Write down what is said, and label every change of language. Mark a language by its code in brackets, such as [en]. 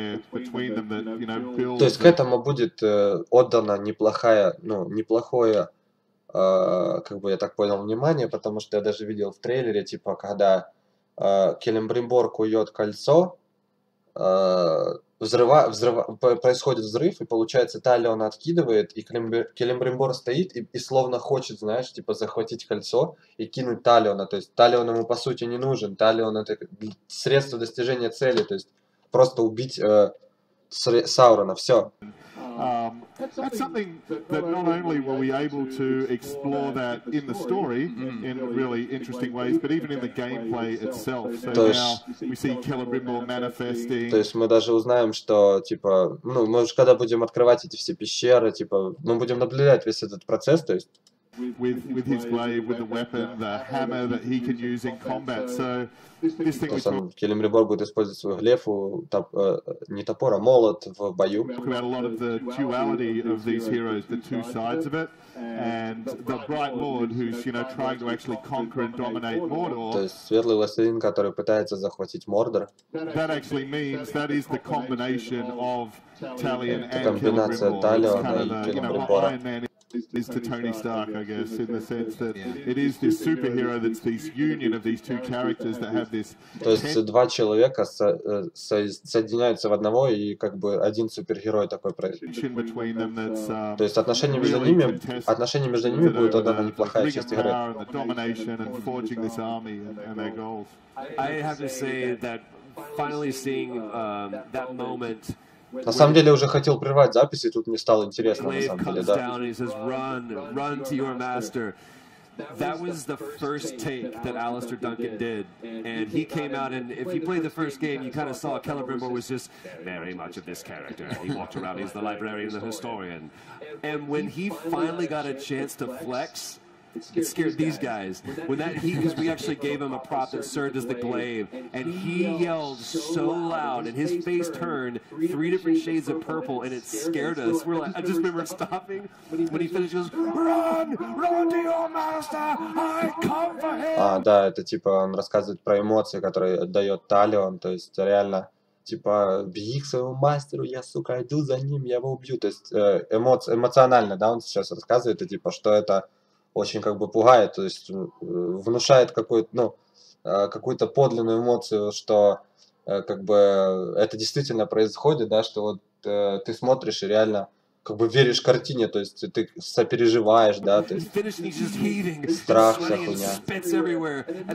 [ru] То есть к этому будет отдана неплохая, ну, неплохое, как бы я так понял, внимание, потому что я даже видел в трейлере, типа, когда Celebrimbor кует кольцо, происходит взрыв, и получается Talion откидывает, и Celebrimbor стоит и словно хочет, знаешь, типа захватить кольцо и кинуть Talion. То есть Talion ему по сути не нужен. Talion — это средство достижения цели, то есть просто убить Саурона, все. [en] That's something that not only were we able to explore that in the story in really interesting ways, but even in the gameplay itself. So [ru] то [en] now [ru] есть, [en] we see Celebrimbor manifesting. [ru] То есть мы даже узнаем, что типа, ну, мы уже когда будем открывать эти все пещеры, типа, мы будем наблюдать весь этот процесс, то есть. [en] With his blade, with the weapon, the hammer that he can use in combat. So this thing. [ru] То есть Celebrimbor будет использовать свою глефу, не топор, а молот в бою. [en] Talk about a lot of the duality of these heroes, the two sides of it, and the Bright Lord, who's, you know, trying to actually conquer and dominate Mordor. [ru] То есть светлый властелин, который пытается захватить Мордор. [en] That actually means that is the combination of Talion and Celebrimbor. Is to Tony Stark, I guess, in the sense that it is this superhero that's this union of these two characters that have this. [ru] То есть два человека соединяются в одного, и как бы один супергерой такой проект. То есть отношения между ними будут одна неплохая часть игры. [en] Domination and forging this army and their goals. I have to say that finally seeing that moment. [ru] На самом деле, уже хотел прервать запись, и тут мне стало интересно, на самом деле, да. [en] Run to your master. That was the first take that Alistair Duncan did, and he came out, and if you played the first game, you kind of saw Celebrimbor was just very much of this character. He walked around, he's the librarian, the historian. And when he finally got a chance to flex, it scared these guys. When that he, because we actually gave him a prop that served as the glaive, and he yelled so loud, and his face turned three different shades of purple, and it scared us. We're like, I just remember stopping when he finished. He goes, run to your master. I come for him. [ru] А, да, это типа он рассказывает про эмоции, которые дает Talion, то есть реально. Типа, беги к своему мастеру, я, сука, иду за ним, я его убью. То есть эмоционально, да, он сейчас рассказывает, и типа, что это очень как бы пугает, то есть внушает какую-то, ну, какую-то подлинную эмоцию, что как бы это действительно происходит, да, что вот ты смотришь и реально как бы веришь картине, то есть ты сопереживаешь, да, то есть страх, вся хуйня.